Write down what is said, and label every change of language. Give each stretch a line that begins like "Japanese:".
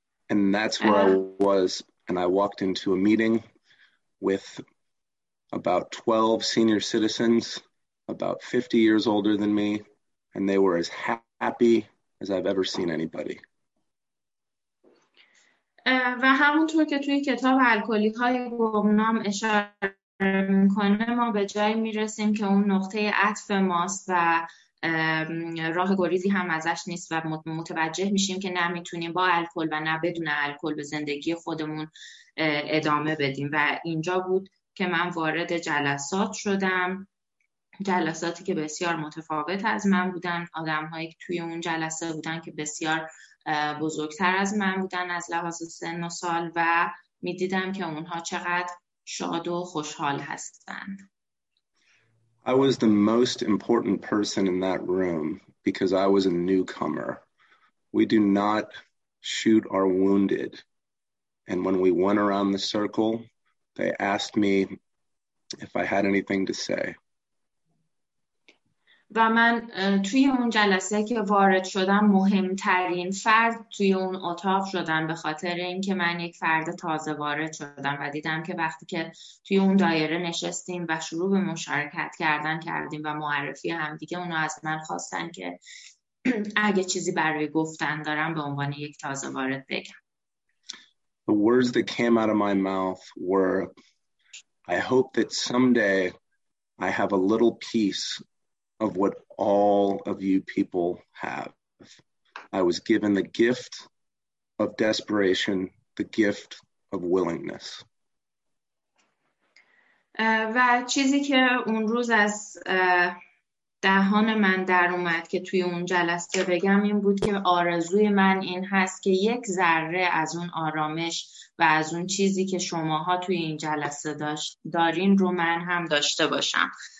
English: And that's where I was. And I walked into a meeting with about 12 senior citizens, about 50 years older than me. And they were as happy as I've ever seen anybody.
Persian: و همونطور که توی کتاب الکلی‌های گمنام اشاره میکنه، ما به جایی میرسیم که اون نقطه عطف ماست و راه گریزی هم ازش نیست و متوجه میشیم که نمیتونیم با الکل و نه بدون الکل به زندگی خودمون ادامه بدیم. و اینجا بود که من وارد جلسات شدم، جلساتی که بسیار متفاوت از من بودن، آدم‌هایی که توی اون جلسه بودن که بسیار بزرگتر از من بودن از لحاظ سن و سال و می دیدم که اونها چقدر شاد و خوشحال هستند.
English: I was the most important person in that room because I was a newcomer. We do not shoot our wounded. And when we went around the circle, they asked me if I had anything to say.
Persian: و من توی اون جلسه که وارد شدم مهمترین فرد توی اون اتاق شدم، به خاطر اینکه من یک فرد تازه وارد شدم و دیدم که وقتی که توی اون دایره نشستیم و شروع به مشارکت کردن کردیم و معرفی هم دیگه، اونا از من خواستن که اگه چیزی برای گفتن دارم به عنوان یک تازه وارد بگم.
English: The words that came out of my mouth were, I hope that someday I have a little peace of what all of you people have. I was given the gift of desperation, the gift of willingness.
Persian: و چیزی که اون روز از دهان من در اومد که توی اون جلسه بگم این بود که آرزوی من این هست که یک ذره از اون آرامش و از اون چیزی که شماها توی این جلسه دارین رو من هم داشته باشم.